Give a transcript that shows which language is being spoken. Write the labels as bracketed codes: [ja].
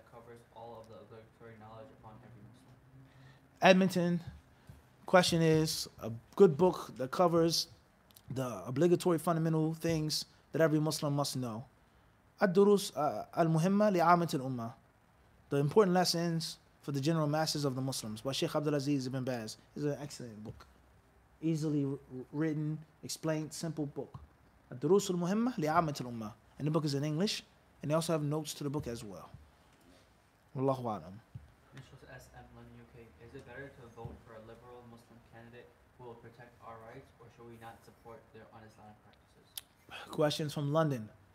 [en] offers all of the obligatory knowledge upon every Muslim. Edmonton, question is, a good book that covers the obligatory fundamental things that every Muslim must know. [ar] الدروس المهمة لعامة الأمة. [en] The important lessons for the general masses of the Muslims by Sheikh Abdulaziz Ibn Baz. It's an excellent book. Easily written, explained, simple book. [ar] الدروس المهمة لعامة الأمة. [en] And the book is in English. And they also have notes to the book as well. Wallahu a'lam. Initials SM London UK. Is it better to vote for a liberal Muslim candidate who will protect our rights, or should we not support their un-Islamic practices? Questions from London.